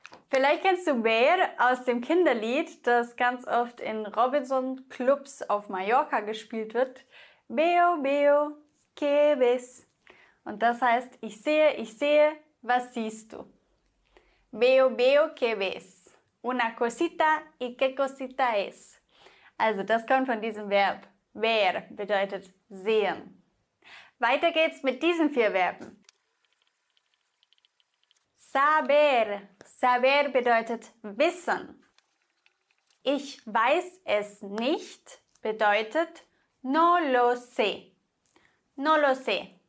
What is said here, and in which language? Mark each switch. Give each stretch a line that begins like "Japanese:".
German: Vielleicht kennst du Bär aus dem Kinderlied, das ganz oft in Robinson-Clubs auf Mallorca gespielt wird.
Spanish: Veo, veo, que ves.
German: Und das heißt, ich sehe, was siehst du?
Spanish: Veo, veo, que ves. Una cosita y qué cosita es.
German: Also das kommt von diesem Verb. Ver bedeutet sehen. Weiter geht's mit diesen vier Verben. Saber. Saber bedeutet wissen. Ich weiß es nicht bedeutet
Spanish: no lo sé. No lo sé.